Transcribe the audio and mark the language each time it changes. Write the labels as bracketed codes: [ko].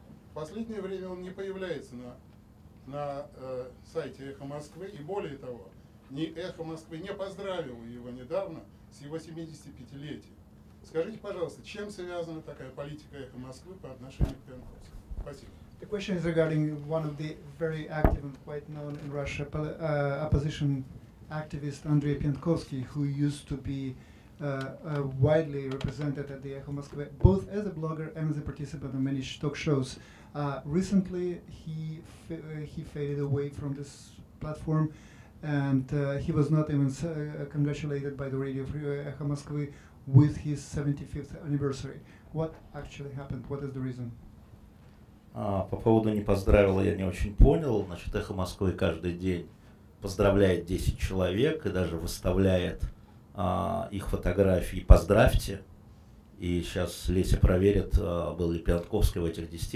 [ru] В последнее время он не появляется на сайте «Эхо Москвы», и более того, ни «Эхо Москвы» не поздравило его недавно с его 75-летием. Скажите, пожалуйста, чем связана такая политика «Эхо Москвы» по отношению к Пионковскому? Спасибо. [en] The question is regarding one of the very active and quite known in Russia opposition activist, Andrei Pionkovsky, who used to be widely represented at the Echo Moscow, both as a blogger and as a participant of many talk shows. Recently, he faded away from this platform, and he was not even congratulated by the radio free Echo Moscow with his 75th anniversary. What actually happened? What is the reason? [ru] По поводу «не поздравила» я не очень понял. Значит, «Эхо Москвы» каждый день поздравляет 10 человек и даже выставляет их фотографии «поздравьте». И сейчас Леся проверит, был ли Пионковский в этих 10.